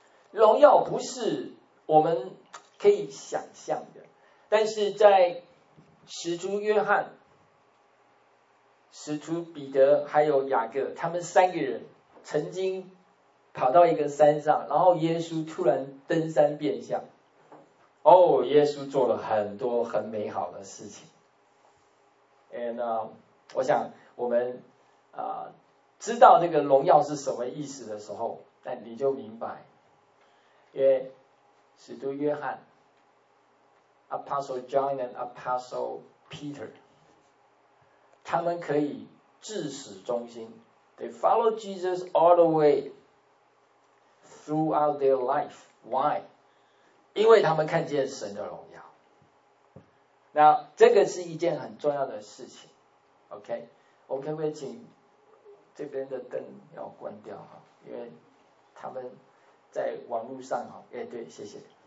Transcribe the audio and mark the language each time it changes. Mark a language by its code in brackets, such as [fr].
[zh] 荣耀不是我们可以想象的，但是在使徒约翰、使徒彼得还有雅各，他们三个人曾经跑到一个山上，然后耶稣突然登山变相。哦，耶稣做了很多很美好的事情。 And 我想我们知道这个荣耀是什么意思的时候，那你就明白。因为使徒约翰 [en] Apostle John and Apostle Peter [zh] 他们可以至死忠心， [en] They follow Jesus all the way throughout their life. Why? [zh] 因为他们看见神的荣耀。那这个是一件很重要的事情。 OK， 我们可不可以请这边的灯要关掉，因为他们在网络上哦，哎，对，谢谢。